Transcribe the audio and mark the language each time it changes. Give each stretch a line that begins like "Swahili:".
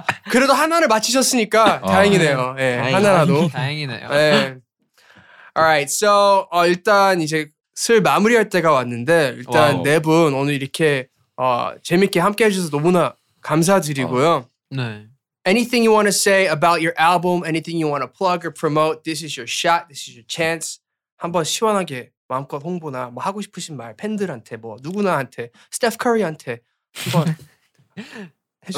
Korean: 그래도 하나를 마치셨으니까 다행이네요. 예, 하나라도. 다행이네요. 예.
English: Alright, so
Korean: 일단 이제 슬 마무리할 때가 왔는데 일단 네 분 오늘 이렇게 재밌게 함께해 주셔서 너무나 감사드리고요. 네.
English: Anything you want to say about your album? Anything you want to plug or promote? This is your shot. This is your chance.
Korean: 한번 시원하게 마음껏 홍보나 뭐 하고 싶으신 말 팬들한테 뭐 누구나한테 스테프 커리한테 한번 해주세요.